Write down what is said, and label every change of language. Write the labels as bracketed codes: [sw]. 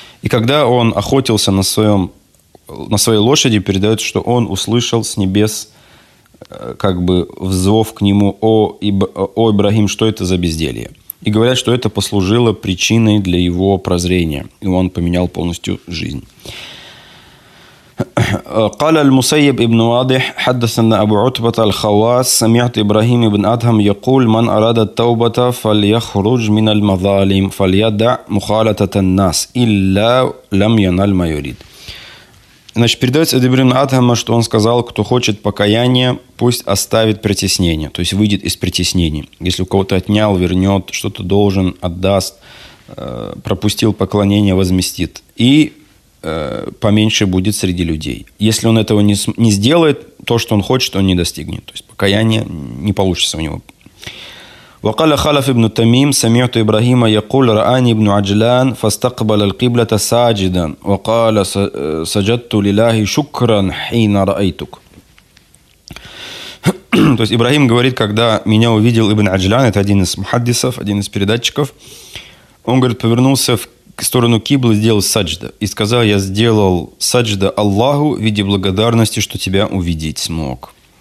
[ru] И когда он охотился на своей лошади, передает, что он услышал с небес как бы взов к нему: о Ибрагим, что это за безделье? И говорят, что это послужило причиной для его прозрения. И он поменял полностью жизнь. [ar] قال المسيب ابن واضح حدثنا أبو عتبة الخواص سمعت إبراهيم ابن أدهم يقول من أراد التوبة فليخرج من المظالم فليدع مخالطة الناس إلا لم ينال ما يريد. [ru] Значит, передается от Ибрахима ад-Дахама, что он сказал, кто хочет покаяния, пусть оставит притеснение, то есть выйдет из притеснений. Если у кого-то отнял, вернет, что-то должен, отдаст, пропустил поклонение, возместит. И поменьше будет среди людей. Если он этого не сделает, то, что он хочет, он не достигнет. То есть покаяние не получится у него. [ar] وقال خلف ابن تميم سمعت إبراهيم يقول رآني ابن عجلان فاستقبل القبلة ساجدا وقال سجدت لله شكرا حين رأيتك. [ru] То есть Ибрахим говорит, когда меня увидел ابن عجلان, это один из мухаддисов, один из передатчиков, он говорит, повернулся в сторону киблы, сделал саджда и сказал: я сделал саджда Аллаху в виде благодарности, что тебя увидеть смог.